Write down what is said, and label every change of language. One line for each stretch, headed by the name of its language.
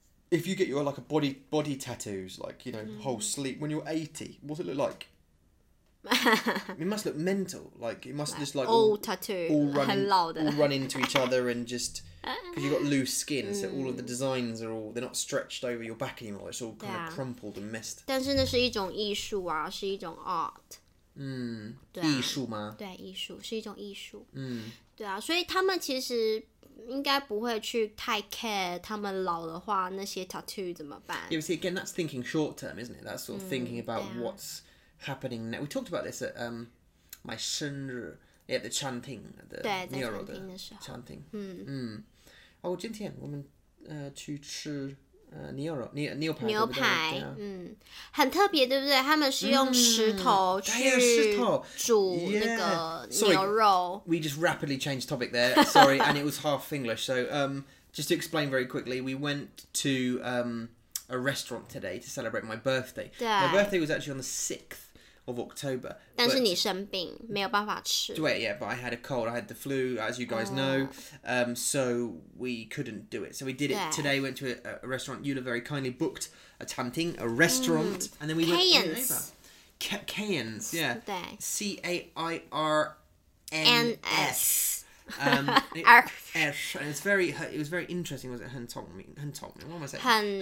English: If you get your, like, a body tattoos, like, you know, whole sleeve, when you're 80, what's it look like? It must look mental, like, it must just, like... All tattoo, all run into each other and just... Because you've got loose skin, so all of the designs are all... They're not stretched over your back anymore, it's all kind of crumpled and messed.
Chinese: 但是那是一种艺术啊,是一种 art. 艺术吗? 对,艺术,是一种艺术。对啊,所以他们其实应该不会去太 care他们老的话那些 tattoo怎么办?
English: Yeah, but see, again, that's thinking short term, isn't it? That's sort of thinking about what's happening now. We talked about this at my
Chinese: 生日,
English: at the chanting, at the mural, the chanting.
Chinese: 今天我们 去吃...牛排很特别对不对 他们是用石头去煮那个牛肉
English: We just rapidly changed topic there Sorry and it was half English So just to explain very quickly We went to a restaurant today To celebrate my birthday My birthday was actually on the 6th of October
Chinese: 但是你生病 没有办法吃
English: Wait, yeah, but I had a cold I had the flu as you guys know so we couldn't do it so we did it today went to a restaurant Yula very kindly booked a chanting a restaurant and then we Cairns. Went Cairns yeah C-A-I-R-N-S and it's very it was very interesting was it
Chinese: 很聪明
English: what am I saying